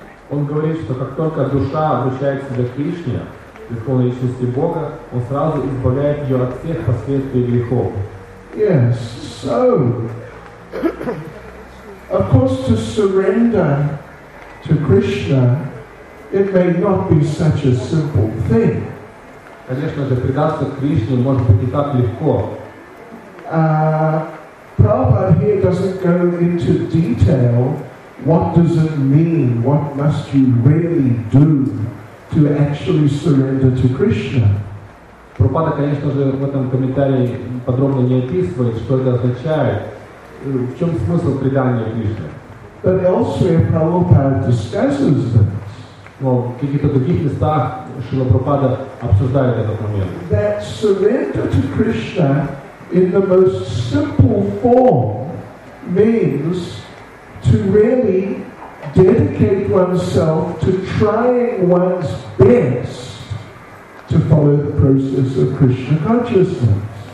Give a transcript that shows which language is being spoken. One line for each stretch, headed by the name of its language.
Russian: Он говорит, что как только душа обращается к Кришне, Верховной Личности Бога, он сразу избавляет ее от всех последствий грехов.
English: Yes, so, of course, to surrender to Krishna, it may not be such a simple thing.
Russian: Конечно же, предаться Кришне может быть не так легко.
English: Prabhupada here doesn't go into detail what does it mean, what must you really do to actually surrender to Krishna.
Russian: Прабхупада, конечно же, в этом комментарии подробно не описывает, что это означает, в чем смысл предания Кришне.
English: But elsewhere Prabhupada discusses this.
Russian: Но в каких-то других местах Шрила Прабхупада обсуждает этот момент.
English: That surrender to Krishna in the most simple form means to really dedicate oneself to trying one's best to follow the process of Krishna consciousness.